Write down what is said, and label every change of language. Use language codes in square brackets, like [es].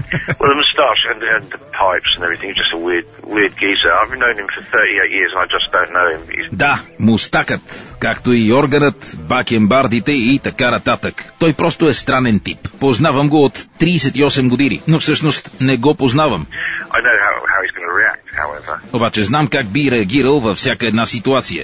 [en] Well, the mustache and the pipes and everything, just a weird geezer. I've known him for 38 years and I just don't know him. [bg] Да, мустакът, както и органът, бакенбардите и така нататък. Той просто е странен тип. Познавам го от 38 години, но всъщност не го познавам. [en] I know how he's going to react, however. [bg] Обаче знам как би реагирал във всяка една ситуация.